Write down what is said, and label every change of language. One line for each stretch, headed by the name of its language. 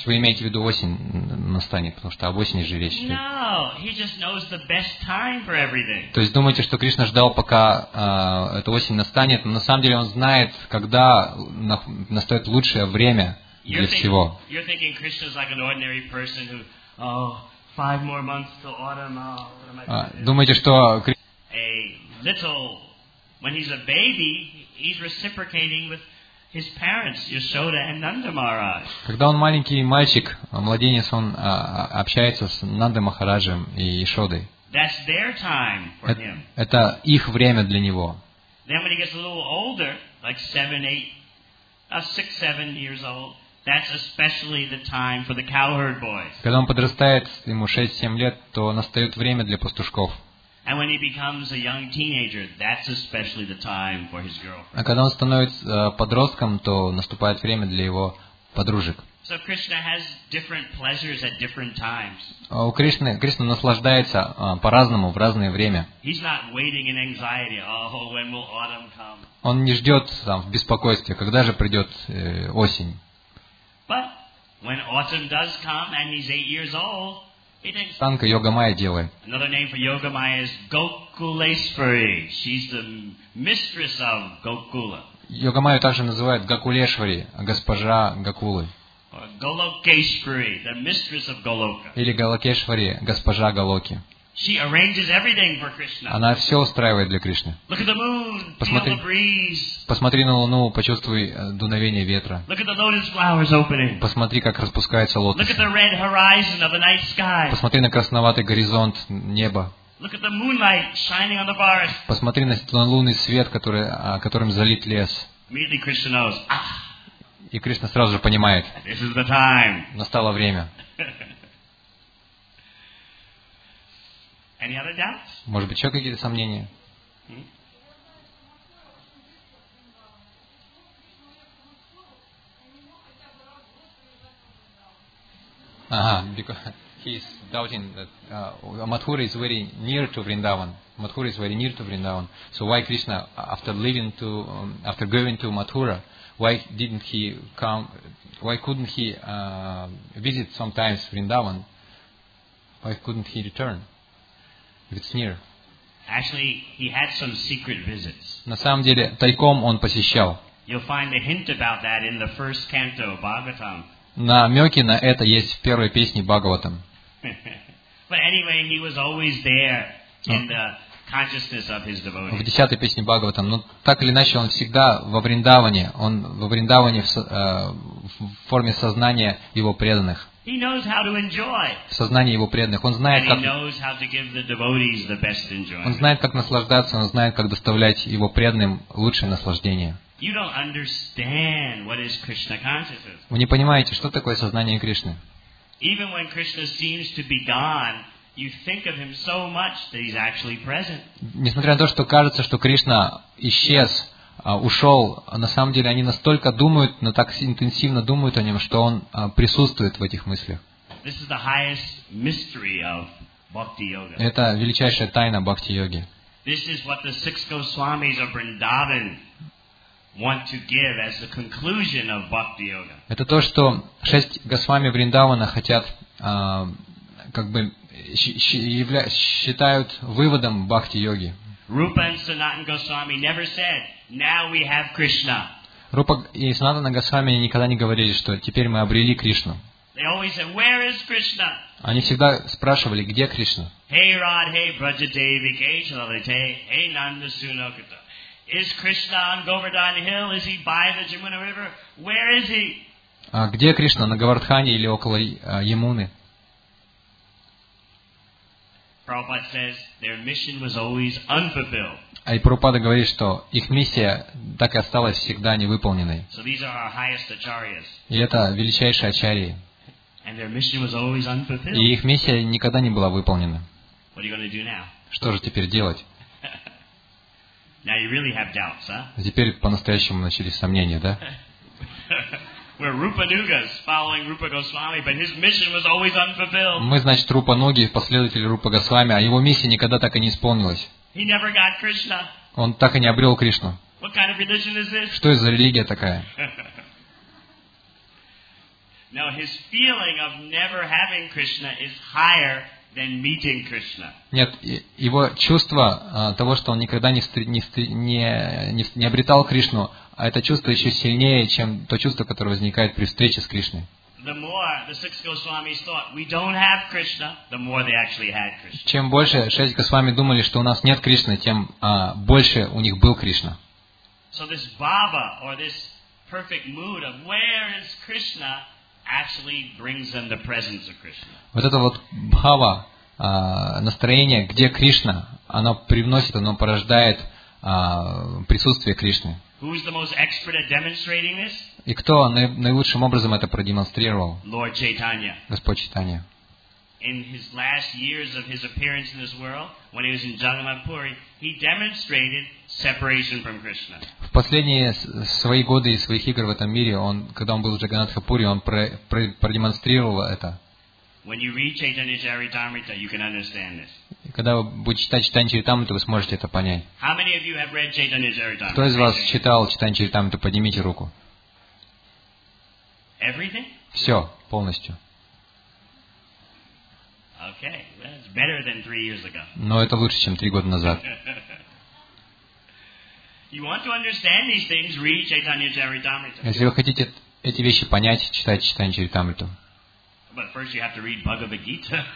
Russian: Вы имеете в виду осень настанет, потому что об осени же речь.
English: No, he just knows the best time for everything.
Russian: То есть думаете, что Кришна ждал, пока эта осень настанет, но на самом деле он знает, когда настает лучшее время для всего.
English: You're thinking Krishna's like an ordinary person who, five more months till autumn.
Russian: Думаете, что
English: a little when he's a baby, he's reciprocating with his parents, Yashoda and Nanda Maharaj.
Russian: Когда он маленький мальчик, младенец, он общается с Нандой Махараджем и Яшодой.
English: That's their time for him.
Russian: Это их время для него.
English: Then when he gets a little older, like 6-7 years old, that's especially the time for the cowherd boys.
Russian: Когда он подрастает, ему 6-7 лет, то настает время для пастушков.
English: And when he becomes a young teenager, that's especially the time for his girlfriend.
Russian: А когда он становится подростком, то наступает время для его подружек.
English: So Krishna has different pleasures at different times.
Russian: У Кришны Кришна наслаждается по-разному в разное время.
English: He's not waiting in anxiety. Oh, when will autumn come?
Russian: Он не ждет там в беспокойстве, когда же придет осень.
English: But when autumn does come and he's 8 years old.
Russian: Танка Йога Майя делает.
English: Another name for Yoga Maya is Gokuleshwari. She's the mistress of Gokula.
Russian: Йога Майю также называют Гакулешвари, госпожа Гакулы.
English: Голокешвари, the mistress of Голока.
Russian: Или Голокешвари, госпожа Голоки.
English: She arranges everything for Krishna.
Russian: Она все устраивает для Кришны.
English: Look at the moon, feel the breeze.
Russian: Посмотри на луну, почувствуй дуновение ветра.
English: Look at the lotus flowers opening.
Russian: Посмотри, как распускается лотос.
English: Look at the red horizon of the night sky.
Russian: Посмотри на красноватый горизонт неба.
English: Look at the moonlight shining on the forest.
Russian: Посмотри на лунный свет, которым залит лес.
English: Immediately Krishna knows.
Russian: И Кришна сразу же понимает.
English: This is the time.
Russian: Настало время.
English: Any other doubts?
Russian: Может быть, еще какие-то сомнения?
English: Because he's doubting that Mathura is very near to Vrindavan. Mathura is very near to Vrindavan. So why Krishna, after going to Mathura, why couldn't he visit sometimes Vrindavan? Why couldn't he return? It's near. Actually, he had some secret visits.
Russian: На самом деле, тайком он посещал.
English: You'll find a hint about that in the first canto of Bhagavatam.
Russian: Намеки на это есть в первой песне Бхагаватам.
English: But anyway, he was always there in the consciousness of his devotees.
Russian: В 10-й песне Бхагаватам. Но так или иначе, он всегда во Вриндаване. Он во Вриндаване в форме сознания его преданных.
English: He knows how to enjoy.
Russian: В сознании его преданных. Он знает, как...
English: And he knows how to give the devotees the best enjoyment.
Russian: Он знает, как наслаждаться, он знает, как доставлять его преданным лучшее наслаждение.
English: You don't understand what is Krishna consciousness.
Russian: Вы не понимаете, что такое сознание Кришны.
English: Even when Krishna seems to be gone, you think of him so much that he's actually present.
Russian: Несмотря на то, что кажется, что Кришна исчез, ушел, на самом деле они настолько думают, но так интенсивно думают о нем, что он присутствует в этих мыслях.
English: This is the highest mystery of bhakti yoga.
Russian: Это величайшая тайна бхакти йоги.
English: This is what the six Goswamis of Vrindavan want to give as the conclusion of bhakti yoga.
Russian: Это то, что шесть Госвами Вриндавана хотят как бы считают выводом бхакти йоги.
English: Rupa and Sanatana Goswami never said, "Now we have Krishna."
Russian: Rupa и Sanatana Goswami никогда не говорили, что теперь мы обрели Кришну.
English: They always said, "Where is Krishna?"
Russian: Они всегда спрашивали, где Кришна. Hey Rod, hey Braja Devi, Keshavate, hey Nanda Sunakata.
English: Is Krishna on Govardhan Hill? Is he by the Jamuna River? Where is he?
Russian: А где Кришна, на Говардхане или около Ямуны?
English: Prabhupada says their mission was always unfulfilled.
Russian: А и Прабхупада говорит, что их миссия так и осталась всегда невыполненной.
English: So these are our highest acharyas.
Russian: И это величайшие ачарьи.
English: And their mission was always unfulfilled.
Russian: И их миссия никогда не была выполнена.
English: What are you going to do now?
Russian: Что же теперь делать?
English: Now you really have doubts, huh?
Russian: Теперь по-настоящему начались сомнения, да?
English: We're Rupanugas following Rupa Goswami, but his mission was always unfulfilled.
Russian: Мы, значит, Рупануги, последователи Рупа Госвами, а его миссия никогда так и не исполнилась.
English: He never got Krishna.
Russian: Он так и не обрел Кришну.
English: What kind of religion is this?
Russian: Что это за религия такая?
English: Now his feeling of never having Krishna is higher than meeting Krishna.
Russian: Нет, его чувство того, что он никогда не обретал Кришну, а это чувство еще сильнее, чем то чувство, которое возникает при встрече с Кришной.
English: The more the six Goswamis thought we don't have Krishna, the more they actually had Krishna.
Russian: Чем больше шесть Госвами думали, что у нас нет Кришны, тем больше у них был Кришна.
English: So this bhava or this perfect mood of where is Krishna actually brings them the presence of Krishna.
Russian: Вот это вот бхава, настроение, где Кришна, оно привносит, оно порождает присутствие Кришны.
English: Who is the most expert at demonstrating this?
Russian: И кто наилучшим образом это продемонстрировал?
English: Lord Chaitanya.
Russian: Господь Чайтанья.
English: In his last years of his appearance in this world, when he was in Jagannathpuri, he demonstrated separation from Krishna.
Russian: В последние свои годы и своих игр в этом мире, он, когда он был в Джаганатхапури, он продемонстрировал это.
English: When you read Chaitanya Charitamrita, you can understand this.
Russian: Когда вы будете читать Чайтанья Чаритамриту, вы сможете это понять.
English: How many of you have read Chaitanya Charitamrita?
Russian: Кто из вас читал Чайтанья Чаритамриту? Поднимите руку.
English: Everything?
Russian: Все, полностью.
English: Okay, that's better than 3 years ago.
Russian: Но это лучше, чем 3 года назад.
English: You want to understand these things, read Chaitanya Charitamrita.
Russian: Если вы хотите эти вещи понять, читайте Чайтанья Чаритамриту.
English: But first you have to read Bhagavad Gita.